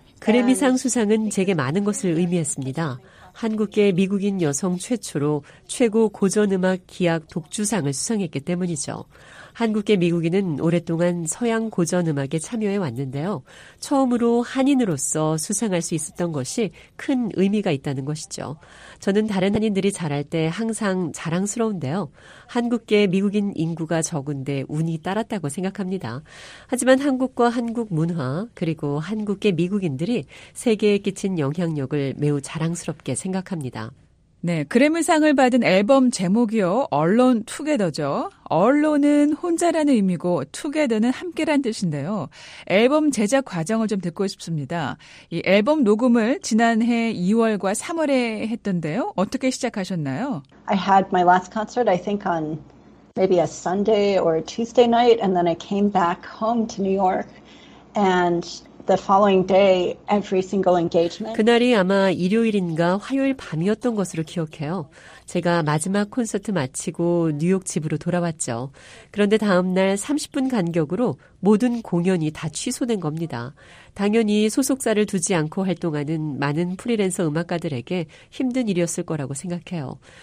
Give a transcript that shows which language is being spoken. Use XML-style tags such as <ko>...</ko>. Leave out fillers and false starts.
<ko>그래미상 수상은 제게 많은 것을 의미했습니다. 한국계 미국인 여성 최초로 최고 고전음악 기악 독주상을 수상했기 때문이죠. 한국계 미국인은 오랫동안 서양 고전음악에 참여해 왔는데요. 처음으로 한인으로서 수상할 수 있었던 것이 큰 의미가 있다는 것이죠. 저는 다른 한인들이 잘할 때 항상 자랑스러운데요. 한국계 미국인 인구가 적은데 운이 따랐다고 생각합니다. 하지만 한국과 한국 문화 그리고 한국계 미국인들이 세계에 끼친 영향력을 매우 자랑스럽게 생각합니다. 네, 그래미상을 받은 앨범 제목이요. Alone Together죠. Alone은 혼자라는 의미고 Together는 함께란 뜻인데요. 앨범 제작 과정을 좀 듣고 싶습니다. 이 앨범 녹음을 지난해 2월과 3월에 했던데요. 어떻게 시작하셨나요?</ko> <en>I had my last concert I think on maybe a Sunday or a Tuesday night and then I came back home to New York and the following day every single engagement</en> <ko>그날이 아마 일요일인가 화요일 밤이었던 것으로 기억해요. 제가 마지막 콘서트 마치고 뉴욕 집으로 돌아왔죠. 그런데 다음 날 30분 간격으로 모든 공연이 다 취소된 겁니다. 당연히 소속사를 두지 않고 활동하는 많은 프리랜서 음악가들에게 힘든 일이었을 거라고 생각해요.</ko>